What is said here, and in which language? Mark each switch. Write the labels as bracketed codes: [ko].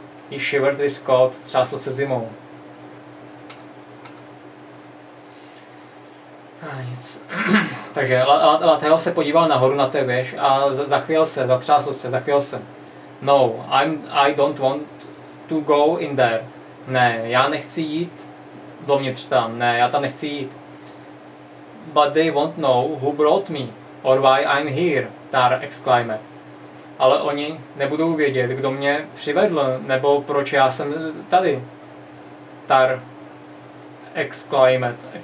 [en] He shivered with cold, [cs] třásl se zimou. Takže Latheos se podíval nahoru na té věž a zachvěl se. [en] No, I don't want to go in there. [cs] Ne, já nechci jít dovnitř tam. Ne, já tam nechci jít. [en] But they won't know who brought me or why I'm here, Tar exclaimed. [cs] Ale oni nebudou vědět, kdo mě přivedl nebo proč já jsem tady. [en] Tar exclaimed.